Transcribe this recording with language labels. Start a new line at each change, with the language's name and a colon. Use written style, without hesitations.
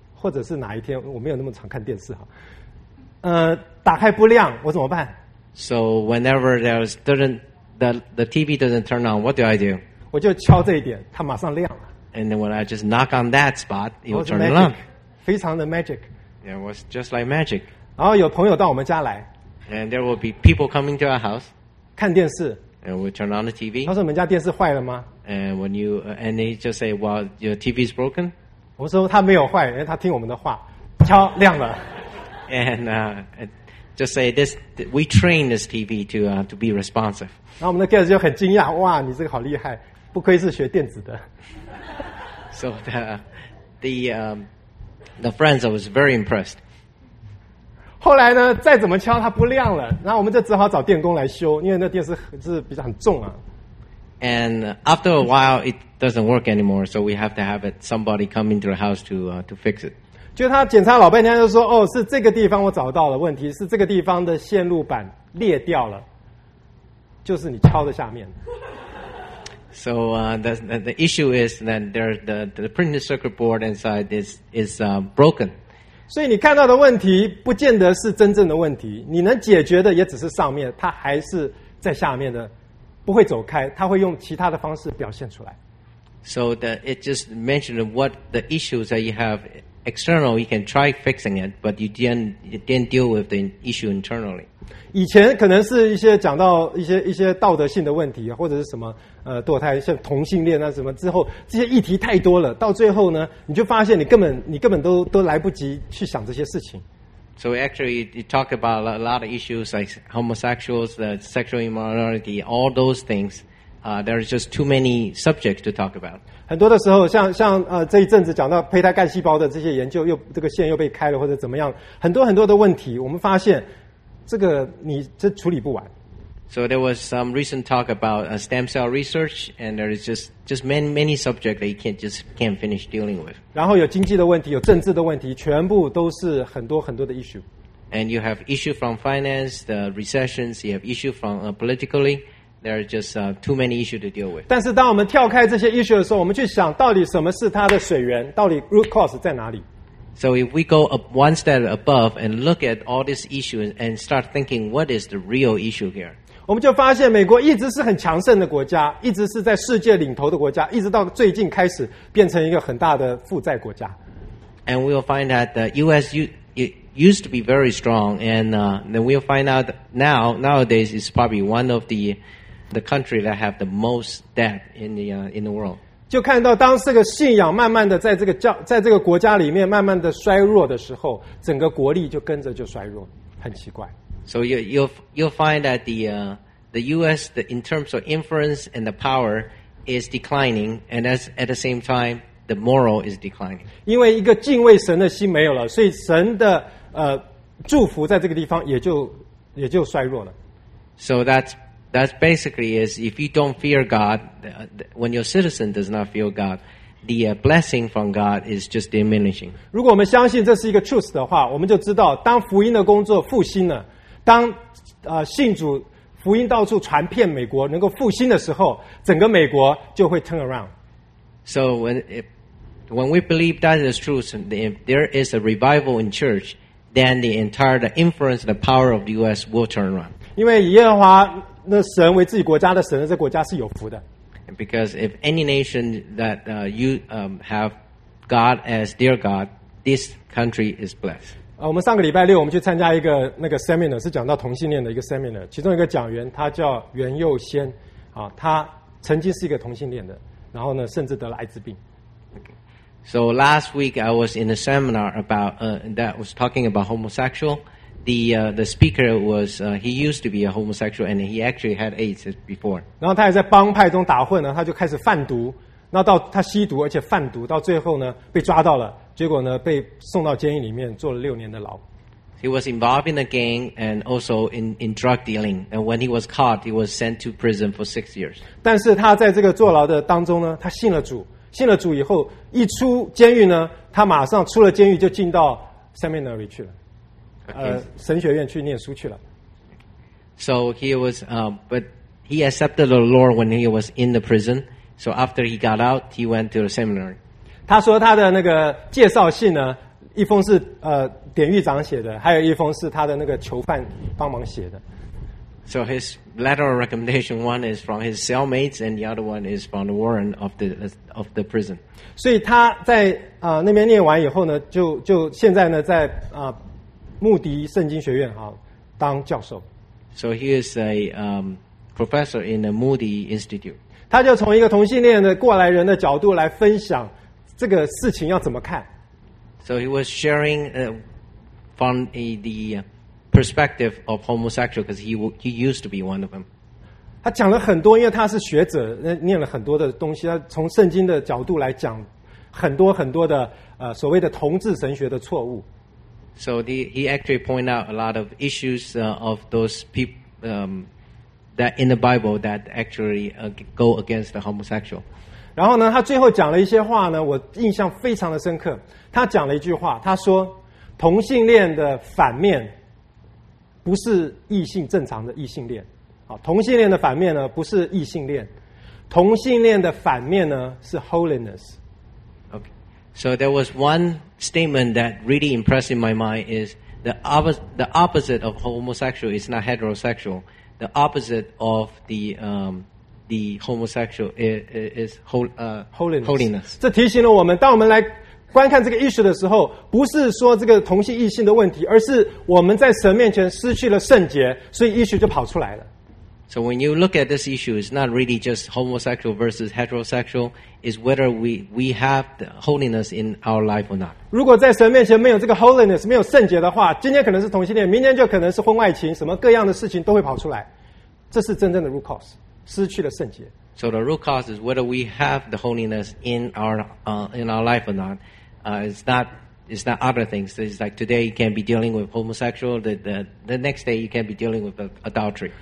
Chinese: 或者是哪一天，我没有那么常看电视哈。打开不亮，我怎么办
English: ？So whenever the TV doesn't turn on, what do I do?
Chinese: 我就敲这一点，它马上亮了。
English: And then when I just knock on that spot, it will turn on.
Chinese: 非常的 magic.
English: It was just like magic.
Chinese: 然后有朋友到我们家来。
English: And there will be people coming to our house.
Chinese: 看电视。
English: And we turn on the TV.
Chinese: 他说：“你们家电视坏了吗
English: ？”And when you and they just say, "Well, your TV is broken."
Chinese: 我说：“他没有坏，因为他听我们的话，敲亮了。
English: ”And just say this: we train this TV to be responsive.
Chinese: 然后我们的 guest 就很惊讶：“哇，你这个好厉害，不愧是学电子的。
English: ”So the friends was very impressed.
Chinese: 后来呢，再怎么敲它不亮了，然后我们就只好找电工来修，因为那电视是比较很重啊。
English: And after a while, it doesn't work anymore, so we have to have somebody come into the house to fix it.
Chinese: 就他检查老半天，就说：“哦，是这个地方我找到了问题，是这个地方的线路板裂掉了，就是你敲的下面。”
English: So the issue is that there the printed circuit board inside is broken.
Chinese: 所以你看到的问题不见得是真正的问题，你能解决的也只是上面，它还是在下面的，不会走开，它会用其他的方式表现出来。
English: So that it just mentioned what the issues that you have external, you can try fixing it, but you didn't deal with the issue internally.
Chinese: 以前可能是一些讲到一些道德性的问题，或者是什么堕胎，像同性恋啊什么之后，这些议题太多了，到最后呢，你就发现你根本都来不及去想这些事情。
English: So actually, you talk about a lot of issues like homosexuals, the sexual immorality, all those things. There is just too many subjects to talk about.
Chinese: 很多的时候，像这一阵子讲到胚胎干细胞的这些研究，又这个线又被开了或者怎么样，很多很多的问题，我们发现这个你这处理不完。
English: So there was some recent talk about stem cell research, and there is just many, many subjects that you can't finish dealing with.
Chinese: 然后有经济的问题，有政治的问题，全部都是很多很多的 issue.
English: And you have issue from finance, the recessions, you have issue from politically, there are just too many issues to deal with.
Chinese: 但是当我们跳开这些 issue 的时候，我们去想到底什么是它的水源，到底 root cause 在哪里。
English: So if we go up one step above and look at all these issues and start thinking what is the real issue here?
Chinese: 我们就发现美国一直是很强盛的国家，一直是在世界领头的国家，一直到最近开始变成一个很大的负债国家。
English: And we'll find that the U.S. used to be very strong, and then we'll find out nowadays it's probably one of the country that have the most debt in the world.
Chinese: 就看到当这个信仰慢慢的在这个教在这个国家里面慢慢的衰弱的时候，整个国力就跟着就衰弱，很奇怪。
English: So you'll find that the U.S. the in terms of influence and the power is declining, and as at the same time the moral is declining.
Chinese: 因为一个敬畏神的心没有了，所以神的祝福在这个地方也就衰弱了。
English: So that's basically is if you don't fear God, when your citizen does not fear God, the blessing from God is just diminishing.
Chinese: 如果我们相信这是一个 truth 的话，我们就知道当福音的工作复兴了，当信主福音到处传遍美国能够复兴的时候，整个美国就会
English: turn around. So when we believe that is truth, if there is a revival in church, then the entire the influence, the power of the U.S. will turn around.
Chinese: 因为耶和华那神为自己国家的神，这国家是有福的。
English: Because if any nation that you have God as their God, this country is blessed.
Chinese: 我们上个礼拜六我们去参加一个那个 seminar， 是讲到同性恋的一个 seminar。其中一个讲员他叫袁佑先，啊，他曾经是一个同性恋的，然后呢，甚至得了艾滋病。
English: So last week I was in a seminar about that was talking about homosexual. The speaker was he used to be a homosexual and he actually had AIDS before.
Chinese: 然后他也在帮派中打混呢，他就开始贩毒，那到他吸毒而且贩毒，到最后呢被抓到了，结果呢被送到监狱里面坐了六年的牢。
English: He was involved in a gang and also in drug dealing. And when he was caught, he was sent to prison for 6 years.
Chinese: 但是他在这个坐牢的当中呢，他信了主，信了主以后一出监狱呢，他马上出了监狱就进到 seminary 去了。神学院去念书去了。
English: So he was, but he accepted the Lord when he was in the prison. So after he got out, he went to the seminary.
Chinese: 他说他的那个介绍信呢，一封是典狱长写的，还有一封是他的那个囚犯帮忙写的。
English: So his letter of recommendation, one is from his cellmates, and the other one is from the warden of the prison.
Chinese: 所以他在那边念完以后呢，就现在呢在穆迪圣经学院当教授。
English: So he is a professor in the Moody Institute.
Chinese: 他就从一个同性恋的过来人的角度来分享这个事情要怎么看。
English: So he was sharing from the perspective of homosexual because he used to be one of them.
Chinese: 他讲了很多，因为他是学者，念了很多的东西，他从圣经的角度来讲很多很多的所谓的同志神学的错误。
English: So he actually point out a lot of issues of those people that in the Bible that actually go against the homosexual.
Chinese: 然后呢，他最后讲了一些话呢，我印象非常的深刻。他讲了一句话，他说：“同性恋的反面不是异性正常的异性恋，同性恋的反面呢不是异性恋，同性恋的反面呢是 holiness。”
English: Okay. So there was one. Statement that really impressed in my mind is the opposite of homosexual is not heterosexual. The opposite of the homosexual is holiness. Holiness.
Chinese: 这提醒了我们，当我们来观看这个 issue 的时候，不是说这个同性异性的问题，而是我们在神面前失去了圣洁，所以 issue 就跑出来了。
English: So when you look at this issue, it's not really just homosexual versus heterosexual. It's whether we have the holiness in our life or not.
Chinese: 如果在神面前没有这个 holiness, 没有圣洁的话，今天可能是同性恋，明天就可能是婚外情，什么各样的事情都会跑出来。这是真正的 root cause, 失去了圣洁。
English: So the root cause is whether we have the holiness in our life or not. It's not it's not other things. It's like today you can be dealing with homosexual, the next day you can be dealing with adultery.